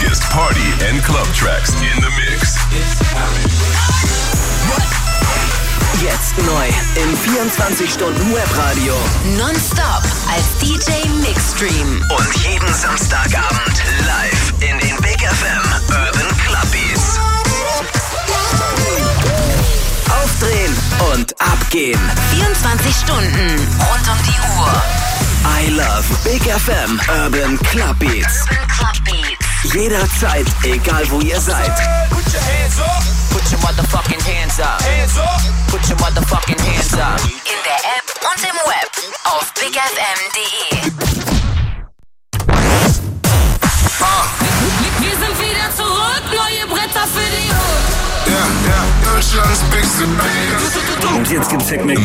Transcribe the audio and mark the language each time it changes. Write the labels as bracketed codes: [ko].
[en] Party and club tracks in the mix. [de] Jetzt neu im 24 Stunden Webradio. Nonstop als DJ Mixstream. Und jeden Samstagabend live in den Big FM Urban Clubbies. Aufdrehen und abgehen. 24 Stunden rund um die Uhr. [en] I love Big FM Urban Clubbies. [de] Jederzeit, egal wo ihr seid. [en] Put your hands up. Put your motherfucking hands up. Hands up. Put your motherfucking hands up. [de] In der App und im Web auf bigfm.de. Wir sind wieder zurück, neue Bretter für die Hood. Ja, ja, Deutschlands bigste Band. Und jetzt gibt's Technik.